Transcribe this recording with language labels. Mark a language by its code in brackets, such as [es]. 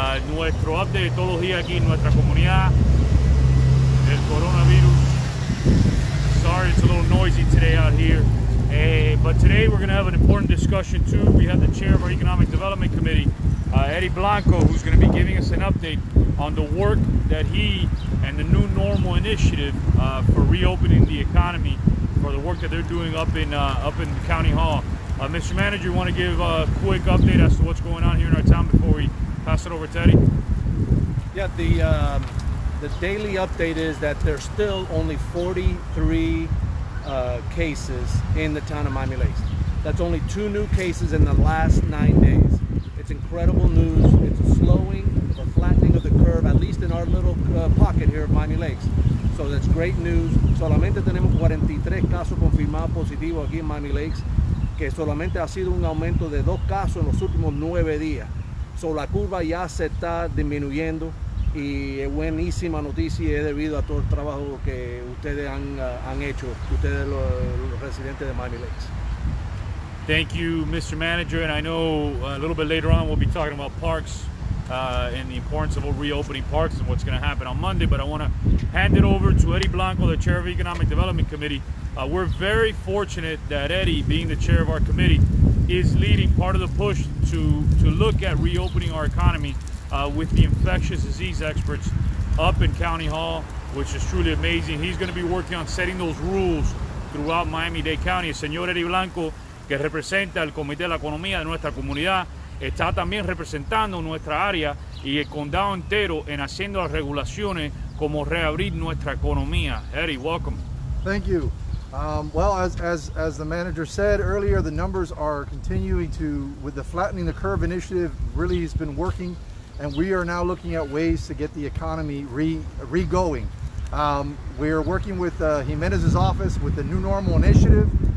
[es] Nuestro update todos los días aquí en nuestra comunidad. El coronavirus. [en] Sorry, it's a little noisy today out here. But today we're going to have an important discussion too. We have the chair of our Economic Development Committee, Eddie Blanco, who's going to be giving us an update on the work that he and the New Normal Initiative for reopening the economy, for the work that they're doing up in the county hall. Mr. Manager, you want to give a quick update as to what's going on here in our town before we pass it over to Eddie? Yeah, the daily update is that there's still only 43 cases in the town of Miami Lakes. That's only 2 new cases in the last 9 days. It's incredible news. It's a slowing, a flattening of the curve, at least in our little pocket here of Miami Lakes. So that's great news. [es] Solamente tenemos 43 casos confirmados positivos aquí en Miami Lakes, que solamente ha sido un aumento de 2 casos en los últimos 9 días. So la curva ya se está disminuyendo y es buenísima noticia, es debido a todo el trabajo que ustedes han hecho, ustedes los residentes de Miami Lakes. [en] Thank you, Mr. Manager, and I know a little bit later on we'll be talking about parks and the importance of reopening parks and what's going to happen on Monday, but I want to hand it over to Eddie Blanco, the Chair of Economic Development Committee. We're very fortunate that Eddie, being the chair of our committee, is leading part of the push to look at reopening our economy with the infectious disease experts up in County Hall, which is truly amazing. He's going to be working on setting those rules throughout Miami-Dade County. [es] Señor Eddie Blanco, que representa el Comité de la Economía de nuestra comunidad, está también representando nuestra área y el condado entero en haciendo las regulaciones como reabrir nuestra economía. [en] Eddie, welcome. Thank you. Well, as the manager said earlier, the numbers are continuing to, with the flattening the curve initiative, really has been working, and we are now looking at ways to get the economy re-going. We're working with Jimenez's office with the New Normal Initiative.